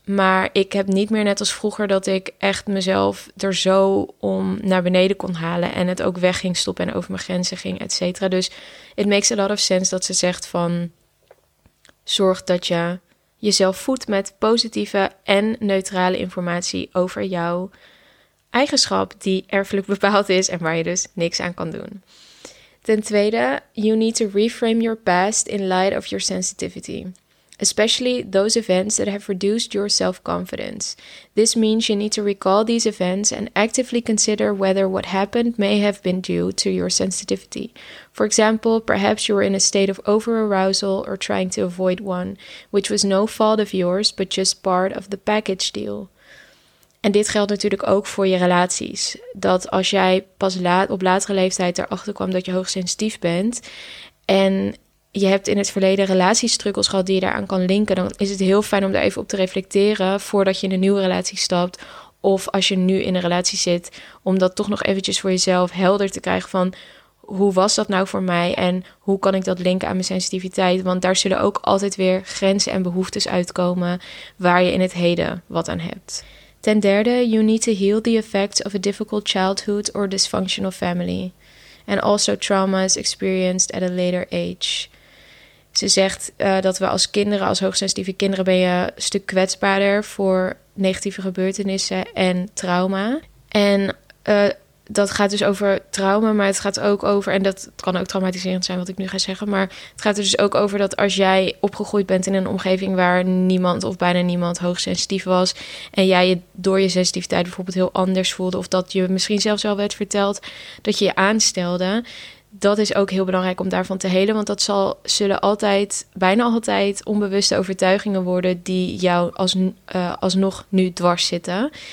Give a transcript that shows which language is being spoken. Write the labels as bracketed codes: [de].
[nl] Maar ik heb niet meer net als vroeger dat ik echt mezelf er zo om naar beneden kon halen en het ook weg ging stoppen en over mijn grenzen ging, et cetera. Dus [en] it makes a lot of sense [nl] dat ze zegt van, zorg dat je jezelf voedt met positieve en neutrale informatie over jouw eigenschap die erfelijk bepaald is en waar je dus niks aan kan doen. Ten tweede, [en] you need to reframe your past in light of your sensitivity, especially those events that have reduced your self-confidence. This means you need to recall these events and actively consider whether what happened may have been due to your sensitivity. For example, perhaps you were in a state of overarousal or trying to avoid one, which was no fault of yours, but just part of the package deal. [nl] En dit geldt natuurlijk ook voor je relaties. Dat als jij pas op latere leeftijd erachter kwam dat je hoogsensitief bent en je hebt in het verleden relatiestruggles gehad die je daaraan kan linken, dan is het heel fijn om daar even op te reflecteren voordat je in een nieuwe relatie stapt. Of als je nu in een relatie zit, om dat toch nog eventjes voor jezelf helder te krijgen van hoe was dat nou voor mij en hoe kan ik dat linken aan mijn sensitiviteit? Want daar zullen ook altijd weer grenzen en behoeftes uitkomen waar je in het heden wat aan hebt. Ten derde, [en] you need to heal the effects of a difficult childhood or dysfunctional family. And also traumas experienced at a later age. [nl] Ze zegt dat we als kinderen, als hoogsensitieve kinderen, ben je een stuk kwetsbaarder voor negatieve gebeurtenissen en trauma. En dat gaat dus over trauma, maar het gaat ook over, en dat kan ook traumatiserend zijn wat ik nu ga zeggen, maar het gaat er dus ook over dat als jij opgegroeid bent in een omgeving waar niemand of bijna niemand hoogsensitief was en jij je door je sensitiviteit bijvoorbeeld heel anders voelde of dat je misschien zelfs wel werd verteld dat je je aanstelde, dat is ook heel belangrijk om daarvan te helen, want dat zullen altijd, bijna altijd, onbewuste overtuigingen worden die jou alsnog nu dwars zitten.